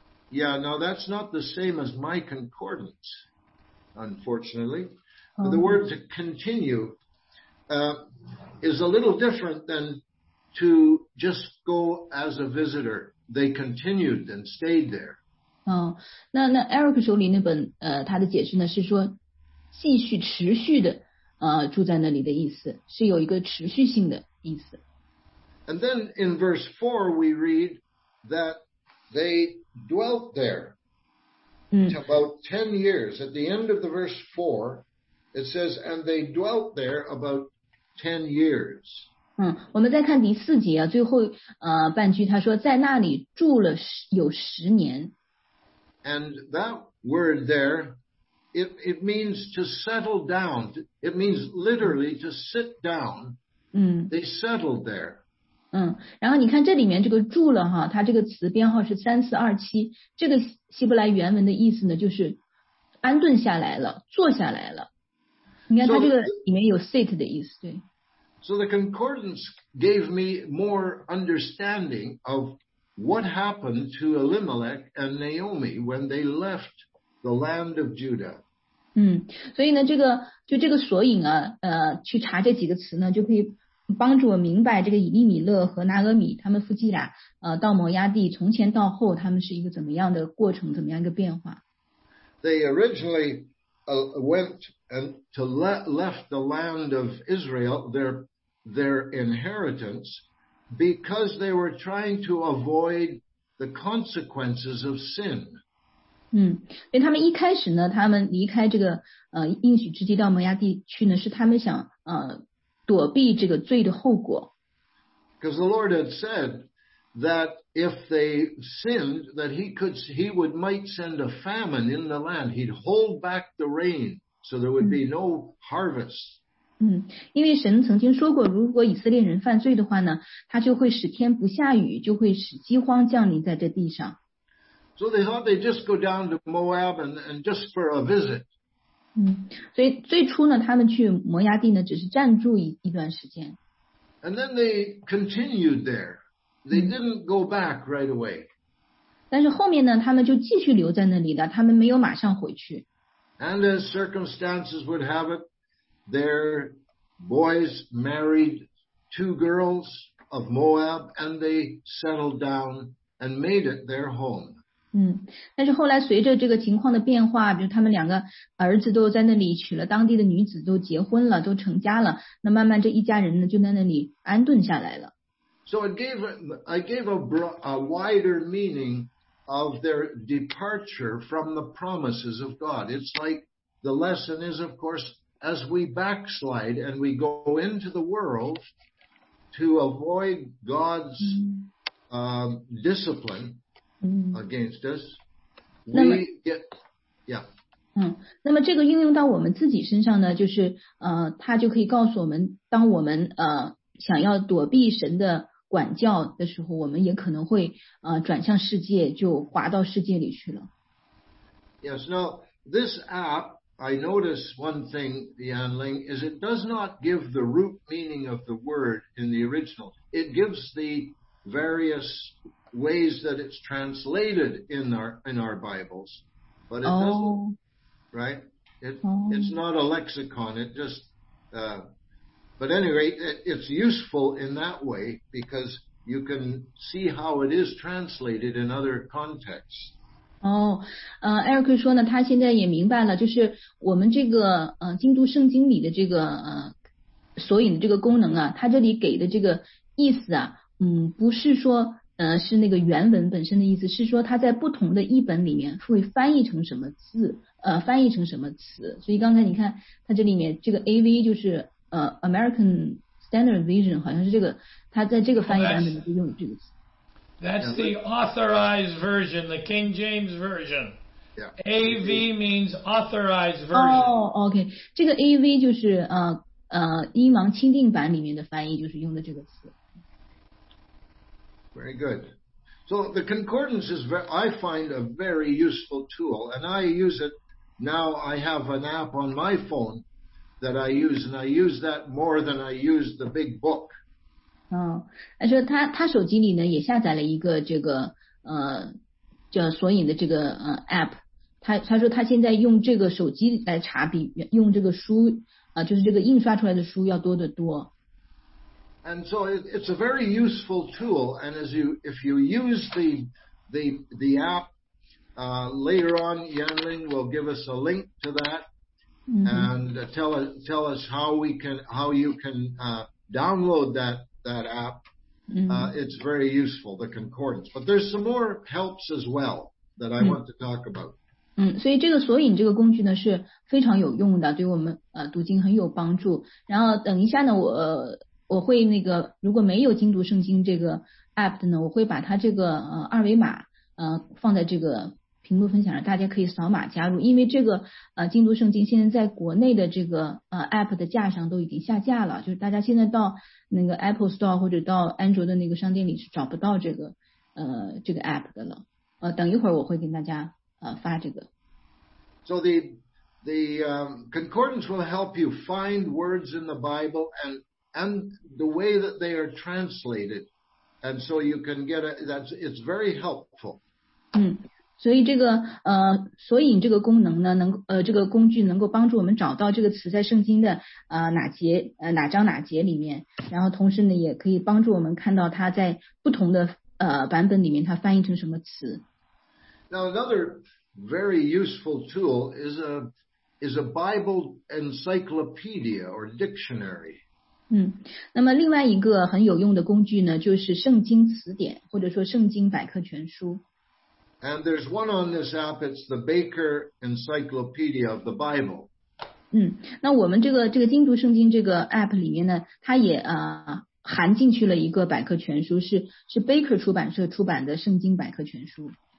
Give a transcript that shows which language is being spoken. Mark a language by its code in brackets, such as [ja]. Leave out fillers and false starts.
[en] Yeah, now that's not the same as my concordance, unfortunately. The word to continue, is a little different than to just go as a visitor. They continued and stayed there. [zh] 那 Eric 手里那本他的解释呢是说继续持续的住在那里的意思，是有一个持续性的意思。 [en] And then in verse 4 we read that they dwelt there about 10 years. At the end of the verse 4 it says, and they dwelt there about 10 years. [zh] 我们再看第四节啊，最后半句他说在那里住了有十年。 [en] And that word there, it means to settle down. It means literally to sit down. They settled there. [zh] 然后你看这里面这个住了哈，它这个词编号是3427，这个希伯来原文的意思呢，就是安顿下来了，坐下来了。你看它这个里面有 sit 的意思，对。 [en] So the concordance gave me more understanding of what happened to Elimelech and Naomi when they left the land of Judah. [zh] 所以呢，这个就这个索引啊，去查这几个词呢，就可以帮助我明白这个以利米勒和拿俄米他们夫妻俩到摩押地从前到后他们是一个怎么样的过程，怎么样一个变化。 [en] They originally went and to left the land of Israel, their inheritance, because they were trying to avoid the consequences of sin. [zh] 因为他们一开始呢，他们离开这个应许之地到摩押地区呢，是他们想躲避这个罪的后果。 [en] Because the Lord had said that if they sinned, that he might send a famine in the land. He'd hold back the rain so there would be no harvest. [zh] 因为神曾经说过，如果以色列人犯罪的话呢，他就会使天不下雨，就会使饥荒降临在这地上。 [en] So they thought they'd just go down to Moab and just for a visit. [zh] 所以最初呢，他们去摩押地呢，只是暂住一段时间。 [en] And then they continued there. They didn't go back right away. [zh] 但是后面呢，他们就继续留在那里的，他们没有马上回去。 [en] And as circumstances would have it, their boys married two girls of Moab, and they settled down and made it their home. [zh] 但是后来随着这个情况的变化，比如他们两个儿子都在那里娶了当地的女子，都结婚了，都成家了，那慢慢这一家人呢就在那里安顿下来了。 [en] So I gave a wider meaning of their departure from the promises of God. It's like the lesson is, of course, as we backslide and we go into the world to avoid God's discipline against us, we get. [zh] 那么这个运用到我们自己身上呢，就是它就可以告诉我们，当我们想要躲避神的管教的时候，我们也可能会转向世界，就滑到世界里去了。 [en] Yes, now this app, I notice one thing, Yan Ling, is it does not give the root meaning of the word in the original. It gives the various ways that it's translated in our Bibles, but it doesn't, right? It's not a lexicon, it just, but anyway, it's useful in that way because you can see how it is translated in other contexts. [zh] Eric 说呢，他现在也明白了，就是我们这个京都圣经里的这个索引的这个功能啊，他这里给的这个意思啊，不是说是那个原文本身的意思，是说他在不同的译本里面会翻译成什么字，翻译成什么词。所以刚才你看，他这里面这个 AV 就是American standard vision 好像是这个他在这个翻译版本里就用这个词。 [en] That's the authorized version, the King James version. AV means authorized version. Oh, okay. [zh] 这个 AV 就是英王钦定版里面的翻译就是用的这个词。 [en] Very good. So the concordance is, I find, a very useful tool, and I use it now. I have an app on my phone that I use, and I use that more than I use the big book. [zh] 他说他手机里呢也下载了一个这个叫索引的这个app， 他说他现在用这个手机来查比用这个书就是这个印刷出来的书要多得多。 [en] And so it's a very useful tool, and as you, if you use the app, later on, Yanling will give us a link to that, and tell us how you can, download that app, it's very useful, the concordance. But there's some more helps as well that I want to talk about. [zh] 所以这个索引这个工具呢是非常有用的，对我们读经很有帮助。然后等一下呢，我会那个如果没有精读圣经这个 app 的呢，我会把它这个二维码放在这个屏幕分享上，大家可以扫码加入。因为这个精读圣经现在在国内的这个app 的架上都已经下架了，就是大家现在到那个 Apple Store 或者到安卓的那个商店里是找不到这个 app 的了。等一会儿我会给大家发这个。 [en] So the concordance will help you find words in the Bible and the way that they are translated, and so you can get it's very helpful. [zh] 所以这个索引这个功能呢，这个工具能够帮助我们找到这个词在圣经的哪节哪章哪节里面，然后同时呢，也可以帮助我们看到它在不同的版本里面它翻译成什么词。 [en] Now another very useful tool is a Bible encyclopedia or dictionary. [zh] 那么另外一个很有用的工具呢，就是圣经词典或者说圣经百科全书。 [en] And there's one on this app, it's the Baker Encyclopedia of the Bible. [zh] 那我们这个精读圣经这个 app 里面呢，它也含进去了一个百科全书，是 Baker 出版社出版的圣经百科全书。